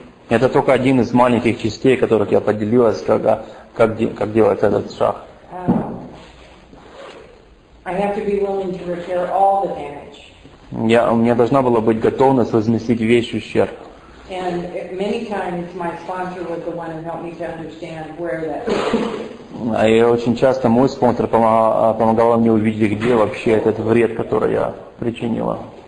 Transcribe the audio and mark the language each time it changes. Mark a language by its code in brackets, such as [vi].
[ru] Это только один из маленьких частей, которых я поделилась, как делать этот шаг. [en] I have to be willing to repair all the damage. [ru] У меня должна была быть готовность возместить весь ущерб. [en] And many times my sponsor was the one who helped me to understand where that. [ru] И очень часто мой спонсор помогал мне увидеть, где вообще этот вред, который я причинила.